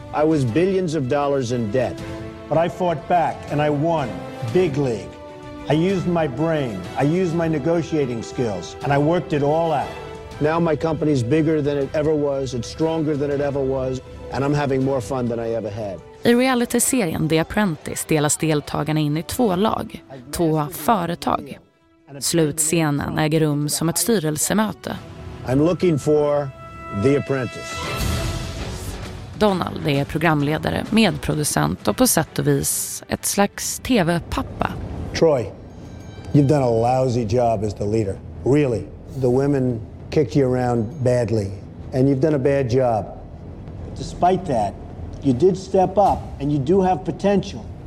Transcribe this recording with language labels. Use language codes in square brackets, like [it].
[en] I was billions of dollars in debt. But I fought back and I won big league. I used my brain, I used my negotiating skills, and I worked it all out. Now my company's bigger than it ever was, it's stronger than it ever was, and I'm having more fun than I ever had. [sv] I reality-serien The Apprentice delas deltagarna in i två lag, två företag. Slutscenen äger rum som ett styrelsemöte. [en] I'm looking for The Apprentice. [sv] Donald är programledare, medproducent och på sätt och vis ett slags TV-pappa. [en] Troy, you've done a lousy job as the leader. Really. The women kicked you around badly and you've done a bad job. But despite that, you did step up and you do have potential.